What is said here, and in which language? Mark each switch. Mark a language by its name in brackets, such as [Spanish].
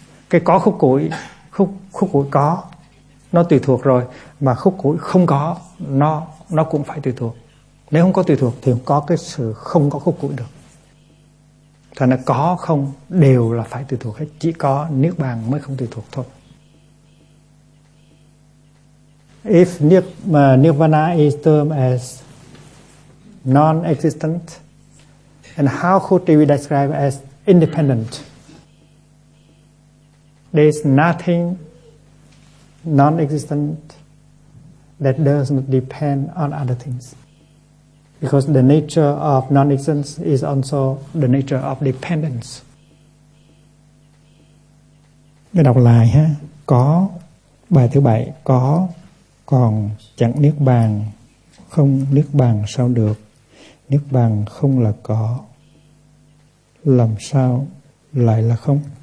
[Vietnamese] Cái có khúc củi, khúc củi có, nó tùy thuộc rồi. Mà khúc củi không có, nó cũng phải tùy thuộc. Nếu không có tùy thuộc thì không có cái sự không có khúc củi được. Thành ra có không đều là phải tùy thuộc hết. Chỉ có Niết Bàn mới không tùy thuộc thôi. [English] If Nirvana is termed as non-existent, and how could we describe as independent? There is nothing non-existent that does not depend on other things. Because the nature of non-existence is also the nature of dependence. [Vietnamese] Mình đọc lại ha. Có, bài thứ 7, có còn chẳng Niết Bàn, không Niết Bàn sao được? Niết Bàn không là có, làm sao lại là không?